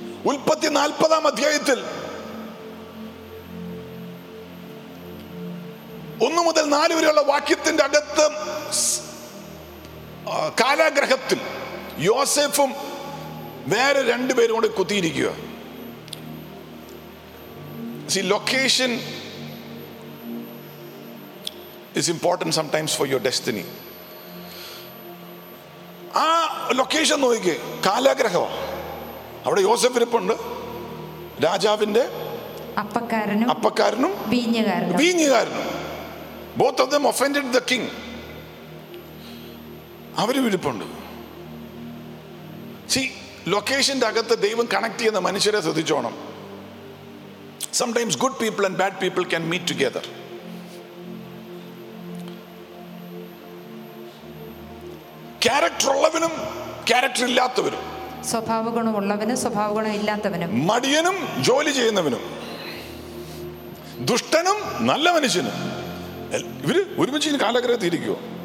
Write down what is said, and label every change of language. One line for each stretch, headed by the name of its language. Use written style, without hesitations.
Malayalam: ഉൽപ്പത്തി 40 അധ്യായത്തിൽ 1-4 വരെയുള്ള വാക്യത്തിന്റെ അകത്ത് കാലാഗ്രഹത്തിൽ യോസെഫും വേറെ രണ്ടുപേരും കൂടെ കുത്തിയിരിക്കുക.
English: See, location is important sometimes for your destiny.
Malayalam: ആ ലൊക്കേഷൻ നോക്കിക്കേ, കാലാഗ്രഹമാണ്. അവിടെ യോസഫ് ഇരിപ്പുണ്ട്, രാജാവിന്റെ അപ്പക്കാരനും വീഞ്ഞുകാരനും.
English: Both of them offended the king.
Malayalam: അവരും ഇരിപ്പുണ്ട്. See, ലൊക്കേഷന്റെ അകത്ത് ദൈവം കണക്ട് ചെയ്യുന്ന മനുഷ്യരെ ശ്രദ്ധിച്ചോണം.
English: Sometimes good people and bad people can meet together.
Malayalam: Character ഉള്ളവനും character ഇല്ലാത്തവരും, സ്വഭാവ ഗുണമുള്ളവനും സ്വഭാവ ഗുണം ഇല്ലാത്തവനും, മടിയനും ജോലി ചെയ്യുന്നവനും, ദുഷ്ടനും നല്ല മനുഷ്യനും, ഇവര് ഒരുമിച്ച് കാലാഗ്രഹത്തിൽ ഇരിക്കുക.